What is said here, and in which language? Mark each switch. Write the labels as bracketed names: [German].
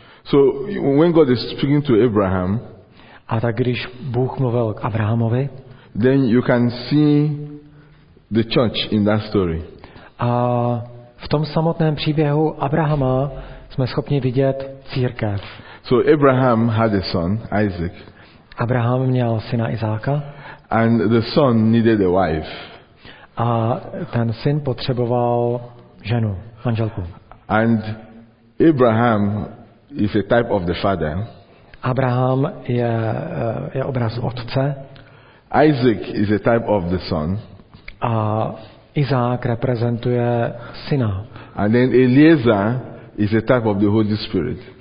[English] So when God is speaking to Abraham, [Czech] a tak když Bůh mluvil k Abrahamovi, [English] then you can see the church in that story. [Czech] A v tom samotném příběhu Abrahama jsme schopni vidět církev. [English] So Abraham had a son, Isaac. [Czech] Abraham měl syna Izáka. [English] And the son needed a wife. [Czech] A ten syn potřeboval ženu, manželku. [English] And Abraham is a type of the father. [Czech] Abraham je obraz otce. [English] Isaac is a type of the son. [Czech] A Izák reprezentuje syna. [English] And then Eliezer is a type of the Holy Spirit.